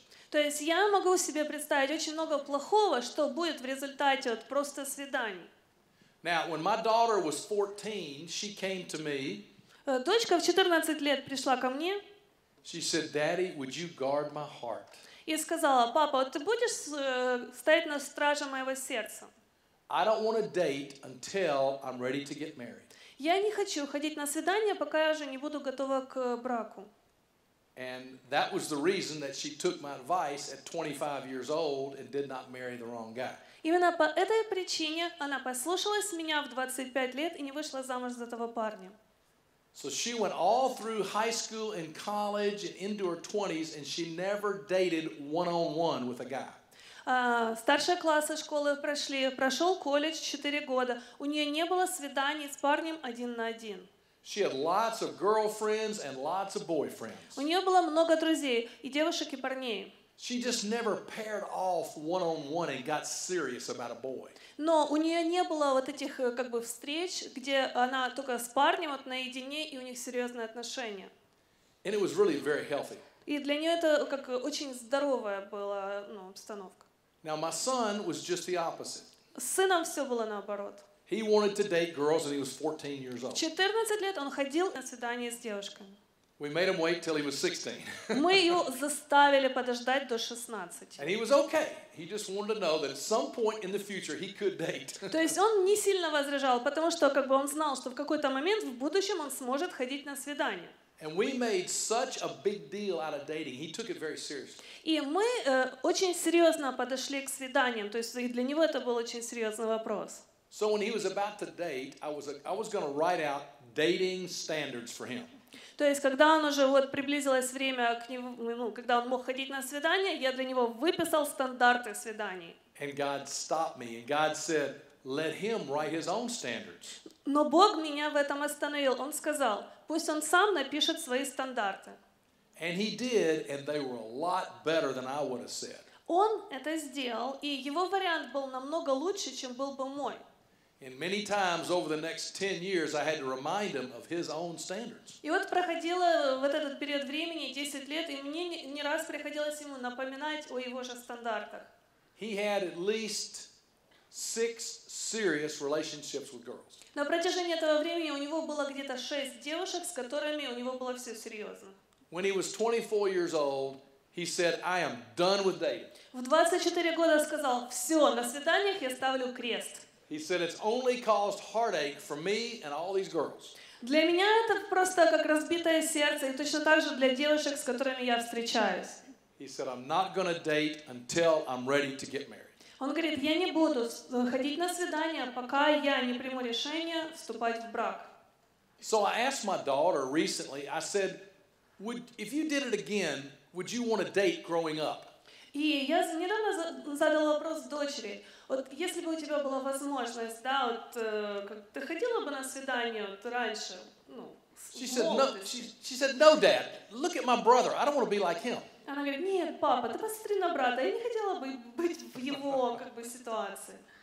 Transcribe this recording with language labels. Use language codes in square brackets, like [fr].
[ru] То есть я могу себе представить очень много плохого, что будет в результате вот просто свиданий. [en] Now, when my daughter was 14, she came to me. [ru] Дочка в 14 лет пришла ко мне. [en] She said, "Daddy, would you guard my heart?" [ru] И сказала: "Папа, ты будешь стоять на страже моего сердца?" [en] I don't want to date until I'm ready to get married. [ru] Я не хочу ходить на свидания, пока я уже не буду готова к браку. [en] And that was the reason that she took my advice at 25 years old and did not marry the wrong guy. [ru] Именно по этой причине она послушалась меня в 25 лет и не вышла замуж за того парня. [en] So she went all through high school and college and into her 20s and she never dated one-on-one with a guy. [ru] Старшие классы школы прошли, прошел колледж 4 года. У нее не было свиданий с парнем один на один. [en] She had lots of girlfriends and lots of boyfriends. [ru] У нее было много друзей, и девушек, и парней. [en] She just never paired off one-on-one and got serious about a boy. [ru] Но у нее не было вот этих как бы встреч, где она только с парнем вот наедине и у них серьезные отношения. [en] And it was really very healthy. [ru] И для нее это как очень здоровая была, ну, обстановка. [en] Now my son was just the opposite. [ru] С сыном все было наоборот. [en] He wanted to date girls when he was 14 years old. [ru] В 14 лет он ходил на свидания с девушками. [en] We made him wait till he was 16. [ru] Мы его заставили подождать до 16. [en] And he was okay. He just wanted to know that at some point in the future he could date. [ru] То есть он не сильно возражал, потому что как бы он знал, что в какой-то момент в будущем он сможет ходить на свидания. [en] And we made such a big deal out of dating. He took it very seriously. [ru] И мы очень серьезно подошли к свиданиям. То есть для него это был очень серьезный вопрос. [en] So when he was about to date, I was going to write out dating standards for him. [ru] То есть, когда он уже вот приблизилось время к нему, ну, когда он мог ходить на свидание, я для него выписал стандарты свиданий. [en] And God stopped me, and God said, "Let him write his own standards." [ru] Но Бог меня в этом остановил. Он сказал, пусть он сам напишет свои стандарты. [en] And he did, and they were a lot better than I would have said. [ru] Он это сделал, и его вариант был намного лучше, чем был бы мой. [en] And many times over the next 10 years, I had to remind him of his own standards. [ru] И вот проходило в этот период времени 10 лет, и мне не раз приходилось ему напоминать о его же стандартах. [en] He had at least 6 serious relationships with girls. [ru] На протяжении этого времени у него было где-то 6 девушек, с которыми у него было все серьезно. [en] When he was 24 years old, he said, "I am done with dating." [ru] В 24 года сказал: "Все, на свиданиях я ставлю крест." [en] He said it's only caused heartache for me and all these girls. [ru] Для меня это просто как разбитое сердце, и точно так же для девушек, с которыми я встречаюсь. [en] He said I'm not going to date until I'm ready to get married. [ru] Он говорит, я не буду ходить на свидания, пока я не приму решение вступать в брак. [en] So I asked my daughter recently. I said, if you did it again, would you want to date growing up? [ru] И я недавно задал вопрос дочери. Вот если бы у тебя была возможность, да, вот ты ходила бы на свидание вот раньше, ну, [en] she said, no, Dad, look at my brother. I don't want to be like him. [ru] Она говорит, нет, папа, ты посмотри на брата. Я не хотела бы быть в его как бы ситуации.